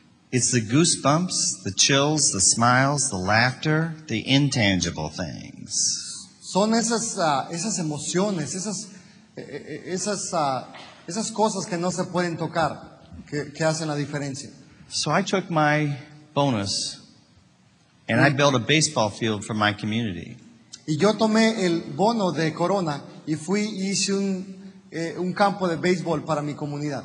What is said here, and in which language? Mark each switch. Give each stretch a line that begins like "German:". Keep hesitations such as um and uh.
English: It's the goosebumps, the chills, the smiles, the laughter, the intangible things.
Spanish: Son esas uh, esas emociones, esas esas uh, esas cosas que no se pueden tocar, que que hacen la diferencia.
English: So I took my bonus and mm -hmm. I built a baseball field for my community.
Spanish: Y yo tomé el bono de corona y fui hice un eh, un campo de béisbol para mi comunidad.